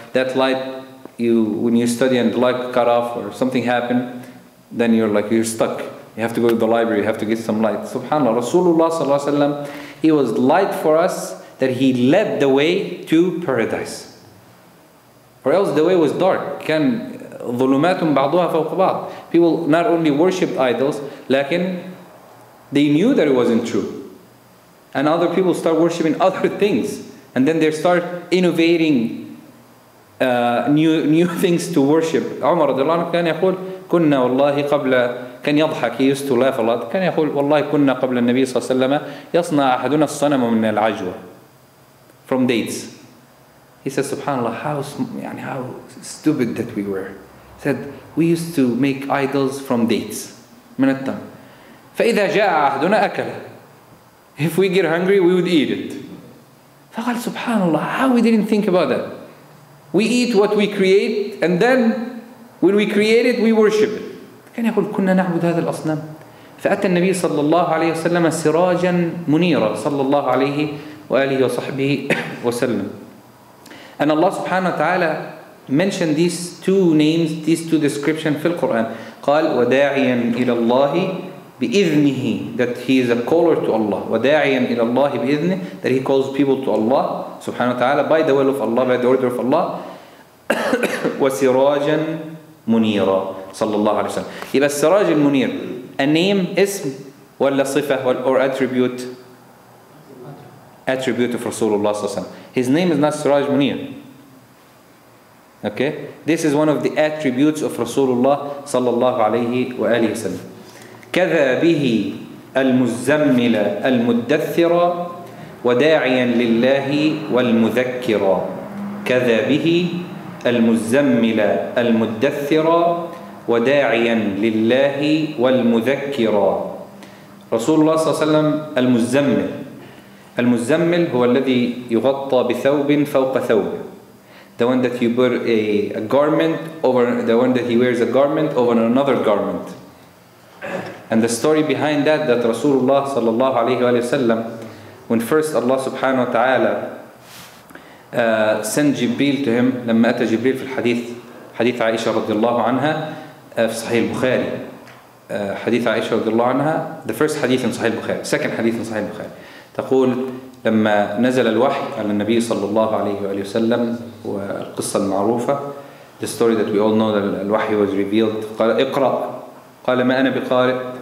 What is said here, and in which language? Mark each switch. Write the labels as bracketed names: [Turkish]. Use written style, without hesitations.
[English] That light, when you study and the light cut off or something happened, then you're stuck. You have to go to the library, you have to get some light. Subhanallah, Rasulullah sallallahu alayhi wa sallam, he was light for us, that he led the way to paradise. Or else the way was dark. [Arabic] كان ظلماتهم بعضها فوق بعض. [English] People not only worshipped idols, لكن they knew that it wasn't true. And other people start worshipping other things. And then they start innovating new things to worship. [Arabic] عمر رضي الله عنه كان يقول كنا والله قبل كان يضحك, [English] he used to laugh a lot. [Arabic] كان يقول والله كنا قبل النبي صلى الله عليه وسلم يصنع أحدنا الصنم من العجوة. [English] From dates. He says, Subhanallah, how stupid that we were. He said, we used to make idols from dates. [Arabic] من التم. فإذا جاء أحدنا أكل. [English] If we get hungry, we would eat it. فقال, Subhanallah, how we didn't think about that? We eat what we create, and then when we create it, we worship it. [Arabic] كان يقول, كنا نعبد هذا الأصنام. فأتى النبي صلى الله عليه وسلم سراجا منيرا صلى الله عليه وآله وصحبه وسلم. [English] And Allah subhanahu wa ta'ala mentioned these two names, these two descriptions [Arabic] في القرآن. قال وداعيا إلى الله بإذنه, [English] that he is a caller to Allah. [Arabic] وداعيا إلى الله بإذنه, [English] that he calls people to Allah subhanahu wa ta'ala by the will of Allah, by the order of Allah. [Arabic] وسراجا منيرا صلى الله عليه وسلم. يبقى السراج المنير, [English] a name, [Arabic] اسم ولا صفة [English] or attribute? Attribute of Rasulullah sallallahu alaihi wasallam. His name is not Siraj Munir. Okay? This is one of the attributes of Rasulullah sallallahu alaihi wa alihi wasallam. [Arabic] كَذَا بِهِ الْمُزَّمِّلَ الْمُدَّثِّرَ وَدَاعِيًا لِلَّهِ وَالْمُذَكِّرَ كَذَا بِهِ الْمُزَّمِّلَ الْمُدَّثِّرَ وَدَاعِيًا لِلَّهِ وَالْمُذَكِّرَ Rasulullah sallallahu alaihi wasallam, المزمل. المزمل هو الذي يغطى بثوب فوق ثوب. [English] The one that you wear a garment over, the one that he wears a garment over another garment. And the story behind that Rasulullah [Arabic] صلى الله عليه وآله وسلم, [English] when first Allah [Arabic] سبحانه وتعالى [English] sent Jibreel to him, [Arabic] لما أتى جبريل في الحديث, حديث عائشة رضي الله عنها, في صحيح البخاري حديث عائشة رضي الله عنها, [English] the first [Arabic] حديث in صحيح البخاري, second حديث in صحيح البخاري, تقول لما نزل الوحي على النبي صلى الله عليه وآله وسلم والقصة المعروفة, [English] the story that we all know that [Arabic] الوحي [English] was revealed, [Arabic] قال اقرأ, قال ما أنا بقارئ,